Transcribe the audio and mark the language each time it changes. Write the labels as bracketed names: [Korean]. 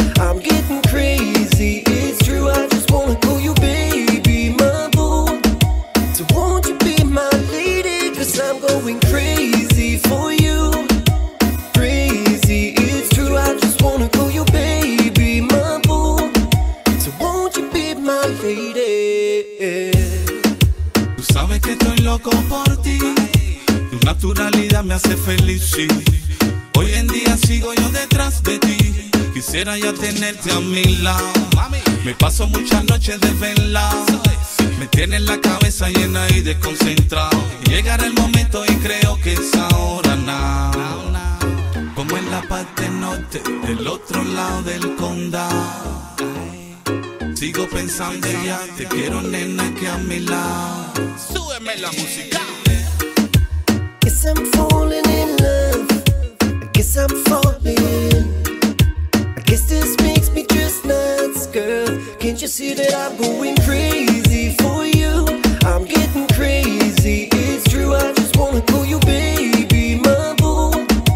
[English] I'm getting crazy. It's true, I just wanna call you baby, my boo. So won't you be my lady? 'Cause I'm going crazy for you. Crazy, it's true, I just wanna call you baby, my boo. So won't you be my lady? [Spanish] Tú sabes que estoy loco por ti. Tu naturalidad me hace feliz, sí. Hoy en día sigo yo detrás de ti. Quisiera ya tenerte a mi lado. Me paso muchas noches desvelado. Me tienes la cabeza llena y desconcentrado. Llegará el momento y creo que es ahora, now. Como en la parte norte, del otro lado del condado. Sigo pensando en ya, te quiero nena aquí a mi lado. Súbeme la música. [English] Guess I'm falling in love. I guess I'm falling. I guess this makes me just nuts, girl. Can't you see that I'm going crazy for you? I'm getting crazy. It's true, I just wanna call you baby, my boo.